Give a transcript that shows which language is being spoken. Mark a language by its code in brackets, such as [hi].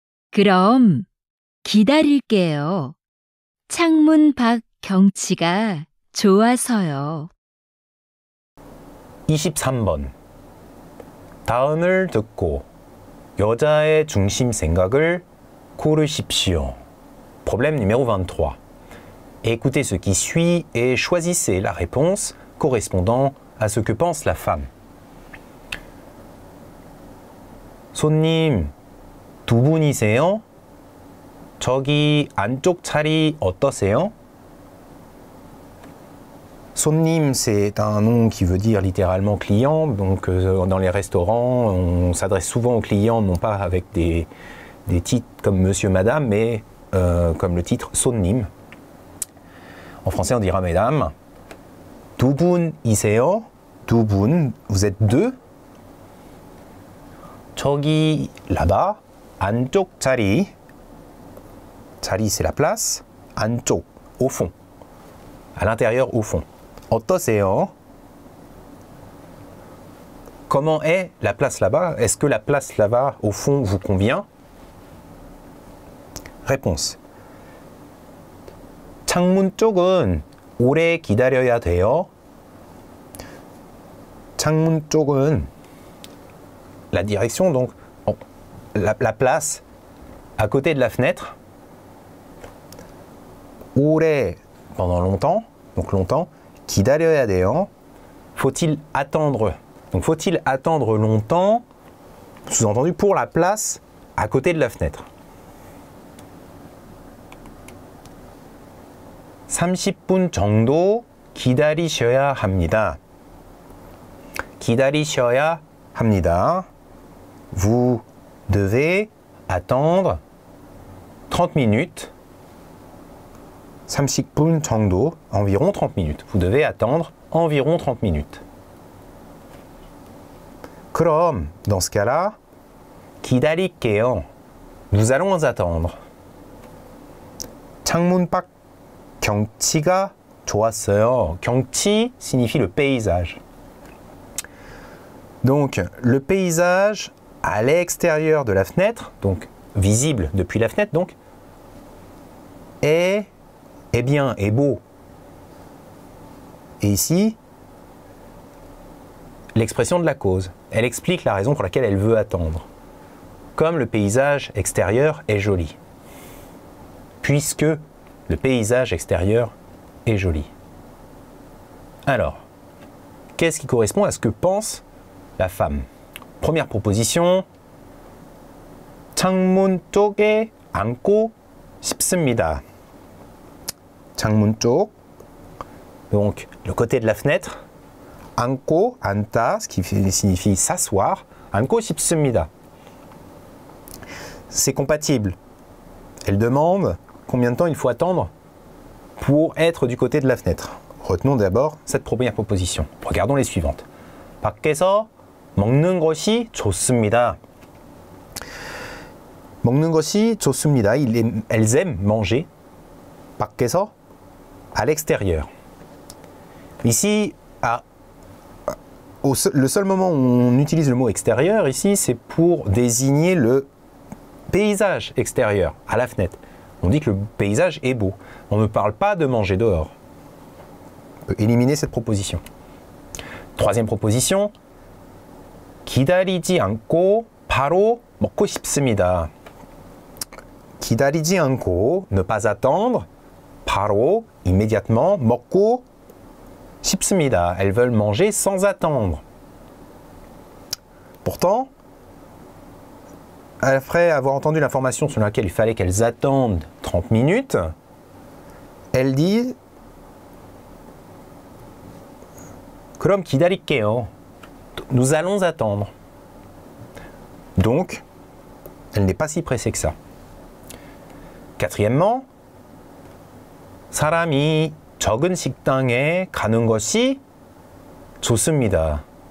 [ko] 그럼 기다릴게요. 창문 밖 경치가 좋아서요. 23번 다음을 듣고 여자의 중심 생각을 고르십시오. [fr] Problème numéro 23. Écoutez ce qui suit et choisissez la réponse correspondant à ce que pense la femme. [ko] 손님, 두 분이세요? 저기 안쪽 자리 어떠세요? [fr] 손님, c'est un nom qui veut dire littéralement client. Donc, dans les restaurants, on s'adresse souvent aux clients, non pas avec des titres comme monsieur, madame, mais comme le titre sonnim. En français, on dira madame. [ko] 두 분 이세요? 두 분, [fr] vous êtes deux. [ko] 저기, [fr] là-bas. [ko] 안쪽 자리. [fr] 자리, c'est la place. 안쪽, au fond. À l'intérieur, au fond. [ko] 어떠세요? [fr] Comment est la place là-bas? Est-ce que la place là-bas, au fond, vous convient? Réponse. [ko] 창문 쪽은 오래 기다려야 돼요. 창문 쪽은 [fr] la direction, donc la place à côté de la fenêtre. 오래 pendant longtemps, donc longtemps. [ko] 기다려야 돼요. [fr] Faut-il attendre? Donc faut-il attendre longtemps? Sous-entendu pour la place à côté de la fenêtre. [ko] 30분 정도 기다리셔야 합니다. 기다리셔야 합니다. [fr] Vous devez attendre 30 minutes. [ko] 30분 정도, [fr] environ 30 minutes. Vous devez attendre environ 30 minutes. [ko] 그럼, [fr] dans ce cas-là, [ko] 기다릴게요. [fr] Nous allons attendre. [ko] 창문 밖 경치가 좋았어요. [fr] 경치 signifie le paysage. Donc, le paysage à l'extérieur de la fenêtre, donc visible depuis la fenêtre, donc, est bien, est beau. Et ici, l'expression de la cause. Elle explique la raison pour laquelle elle veut attendre. Comme le paysage extérieur est joli. Puisque le paysage extérieur est joli. Alors, qu'est-ce qui correspond à ce que pense la femme? Première proposition. [ko] 창문 쪽에 앉고 싶습니다. 창문 쪽, [fr] donc le côté de la fenêtre, 앉고 앉다, ce qui signifie s'asseoir, [ko] 앉고 싶습니다. [fr] C'est compatible. Elle demande combien de temps il faut attendre pour être du côté de la fenêtre. Retenons d'abord cette première proposition. Regardons les suivantes. [ko] 밖에서 먹는 것이 좋습니다. 먹는 것이 좋습니다. [fr] Elles aiment manger. [ko] 밖에서 [fr] à l'extérieur. Ici, le seul moment où on utilise le mot extérieur ici, c'est pour désigner le paysage extérieur à la fenêtre. On dit que le paysage est beau. On ne parle pas de manger dehors. On peut éliminer cette proposition. Troisième proposition. [ko] 기다리지 않고 바로 먹고 싶습니다. 기다리지 않고, [fr] ne pas attendre, [ko] 바로, [fr] immédiatement, [ko] 먹고 싶습니다. [fr] Elles veulent manger sans attendre. Pourtant, après avoir entendu l'information selon laquelle il fallait qu'elles attendent 30 minutes, elles disent [ko] 그럼 기다릴게요. [fr] Nous allons attendre. Donc, elle n'est pas si pressée que ça. Quatrièmement, [ko] 사람이 적은 식당에 가는 것이 좋습니다.